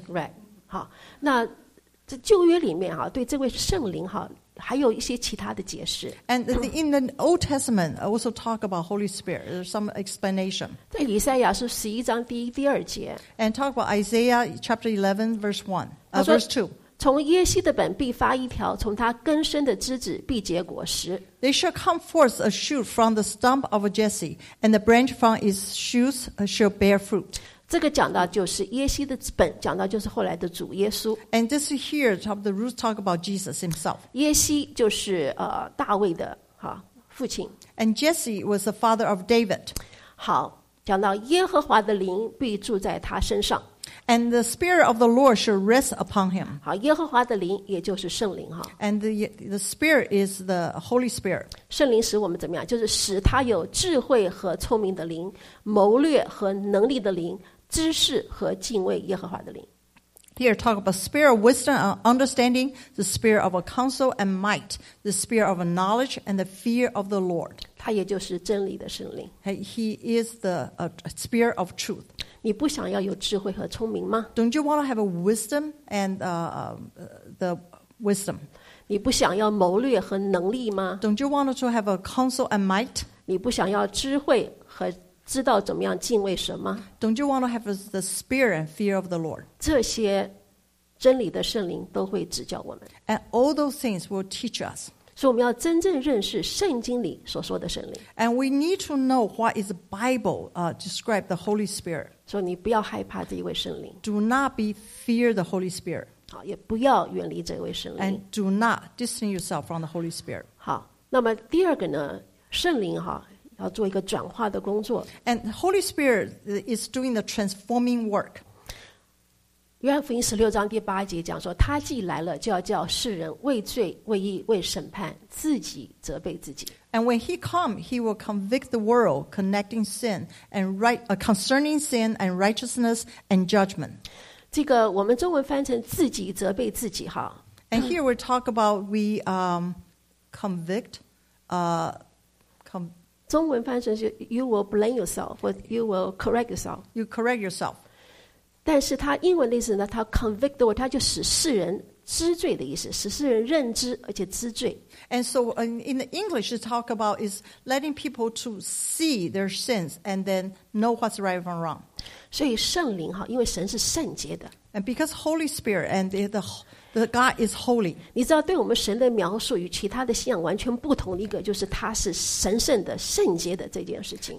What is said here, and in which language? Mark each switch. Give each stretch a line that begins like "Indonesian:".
English: Right.
Chinese: 好，那这旧约里面哈，对这位圣灵哈，还有一些其他的解释。
English: And the, in the Old Testament, also talk about Holy Spirit. There's some explanation.
Chinese: 在以赛亚书十一章第二节。
English: And talk about Isaiah chapter 11 verse 1, verse 2.
Chinese: 从耶西的本必发一条，从他根深的枝子必结果实。
English: They shall come forth a shoot from the stump of Jesse, and the branch from his shoots shall bear fruit.
Chinese: 这个讲到就是耶稣的本，讲到就是后来的主耶稣。
English: And this here, top the roots talk about Jesus himself.
Chinese: 耶稣就是大卫的哈父亲。
English: And Jesse was the father of David.
Chinese: 好，讲到耶和华的灵必住在他身上。
English: And the spirit of the Lord shall rest upon him.
Chinese: 好，耶和华的灵也就是圣灵哈。
English: And the spirit is the Holy Spirit.
Chinese: 圣灵使我们怎么样？就是使他有智慧和聪明的灵，谋略和能力的灵。知识和敬畏耶和华的灵。
English: Here talk about spirit of wisdom and understanding, the spirit of a counsel and might, the spirit of a knowledge and the fear of the Lord.
Chinese: 他也就是真理的圣灵。
English: He is the spirit of truth.
Chinese: 你不想要有智慧和聪明吗?
English: Don't you want to have a wisdom and the wisdom?
Chinese: 你不想要谋略和能力吗?
English: Don't you want to have a counsel and might?
Chinese: 你不想要智慧和知道怎么样敬畏神吗?
English: Don't you want to have the spirit and fear of the Lord?
Chinese: 这些真理的圣灵都会指教我们。
English: And all those things will teach us.
Chinese: 所以我们要真正认识圣经里所说的圣灵。
English: And we need to know what is the Bible describe the Holy Spirit.
Chinese: 所以你不要害怕这一位圣灵。
English: Do not be fear the Holy Spirit.
Chinese: 好，也不要远离这位圣灵。
English: And do not distance yourself from the Holy Spirit.
Chinese: 好，那么第二个呢，圣灵哈要做一个转化的工作。
English: And the Holy Spirit is doing the transforming work.
Chinese: 约翰福音十六章第八节讲说，他既来了，就要叫世人为罪、为义、为审判，自己责备自己。
English: And when he comes, he will convict the world connecting sin and right, concerning sin and righteousness and judgment.
Chinese: 这个我们中文翻成自己责备自己哈。
English: And here we talk about we convict,
Chinese: 中文翻成是
English: you will blame yourself or you will correct yourself. You correct yourself.
Chinese: 但是他英文的意思呢，他
English: convict the world,
Chinese: 他就使世人知罪的意思，使世人认知而且知罪。
English: And so in the English to talk about is letting people to see their sins and then know what's right and wrong.
Chinese: 所以圣灵因为神是圣洁的。
English: And because Holy Spirit and the God is holy.
Chinese: 你知道对我们神的描述与其他的信仰完全不同的一个就是他是神圣的圣洁的这件事情。